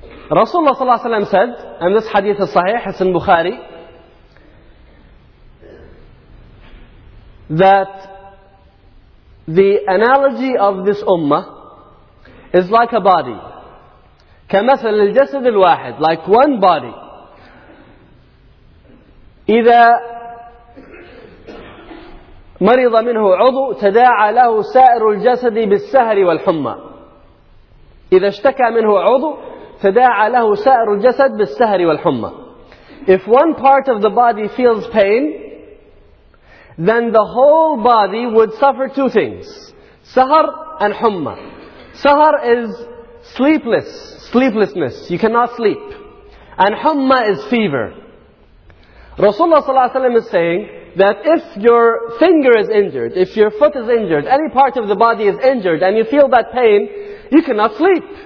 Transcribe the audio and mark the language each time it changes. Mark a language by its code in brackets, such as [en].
[en] Rasulullah [ar] sallallahu alayhi wasallam [en] said, and this hadith is sahih, it's in Bukhari, that the analogy of this ummah is like a body. [ar] كمثل الجسد الواحد, [en] like one body. [ar] إذا مريض منه عضو تداعى له سائر الجسد بالسهر والحمى. إذا اشتكى منه عضو تداعى له سائر الجسد بالسهر والحمى. [en] If one part of the body feels pain, then the whole body would suffer two things: سهر and حمى. سهر is sleeplessness. You cannot sleep. And حمى is fever. Rasulullah [ar] صلى الله عليه وسلم [en] is saying that if your finger is injured, if your foot is injured, any part of the body is injured and you feel that pain, you cannot sleep.